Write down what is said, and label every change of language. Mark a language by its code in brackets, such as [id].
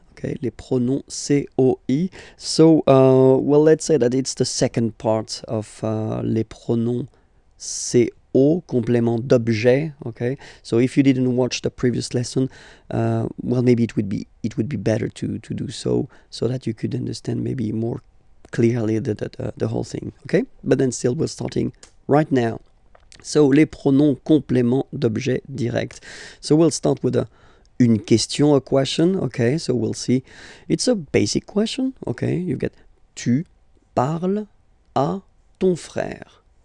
[en] Okay, les pronoms COI. So, well, let's say that it's the second part of les pronoms COI. O, complément d'objet, okay? So if you didn't watch the previous lesson, well, maybe it would be better to do so that you could understand maybe more clearly the whole thing, okay? But then still, we're starting right now. [fr] So, les pronoms complément d'objet direct. [en] So we'll start with [fr] une question, [en] a question, okay? So we'll see. It's a basic question, okay? You get, [fr] tu parles à ton frère.